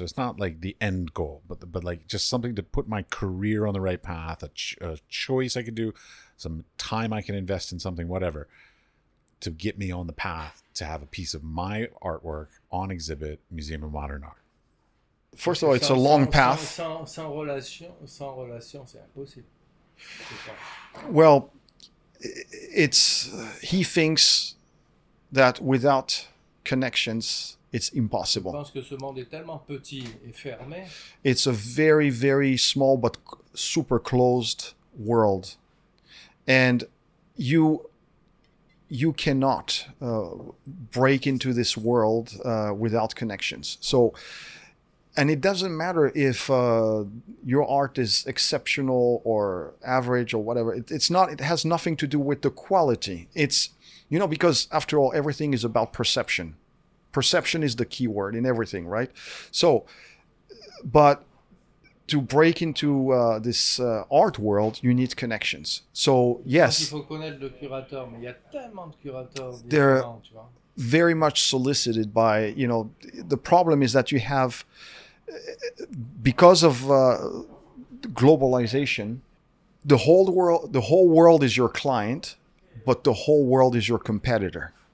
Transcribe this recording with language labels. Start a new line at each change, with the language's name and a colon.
English: So it's not like the end goal, but like just something to put my career on the right path, a choice I could do, some time I can invest in something, whatever, to get me on the path to have a piece of my artwork on exhibit, Museum of Modern Art. First of all, it's a long path.
French: Sans relation, c'est impossible.
English: Well, it's he thinks that without connections, it's impossible.
French: Je pense que ce monde est tellement petit et fermé.
English: It's a very, very small but super closed world. And you cannot break into this world without connections. So, and it doesn't matter if your art is exceptional or average or whatever. It has nothing to do with the quality. It's, you know, because after all, everything is about perception. Perception is the key word in everything, right? So, but to break into this art world, you need connections. So, yes.
French: Il faut connaître le curateur, mais il y a tellement de curateurs.
English: They're very much solicited by, you know, the problem is that you have, because of globalization, the whole world is your client, but the whole world is your competitor.